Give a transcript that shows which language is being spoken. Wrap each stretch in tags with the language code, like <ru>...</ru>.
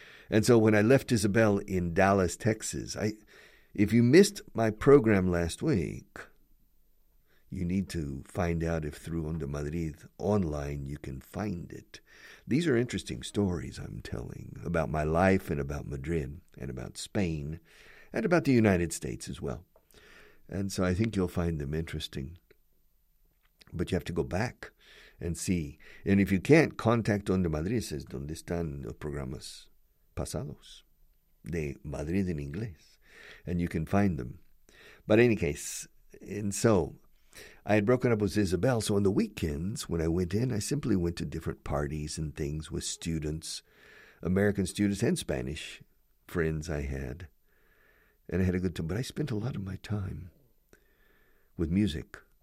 <en>And so when I left Isabel in Dallas, Texas, if you missed my program last week, you need to find out if through Onda Madrid online you can find it. These are interesting stories I'm telling about my life and about Madrid and about Spain and about the United States as well. And so I think you'll find them interesting. But you have to go back and see. And if you can't, contact Onda Madrid. Says,</en> <es>¿dónde están los programas pasados de Madrid en inglés?</es> <en>And you can find them. But in any case, and so I had broken up with Isabel, so on the weekends when I went in, I simply went to different parties and things with students, American students and Spanish friends I had. And I had a good time, but I spent a lot of my time with music.</en>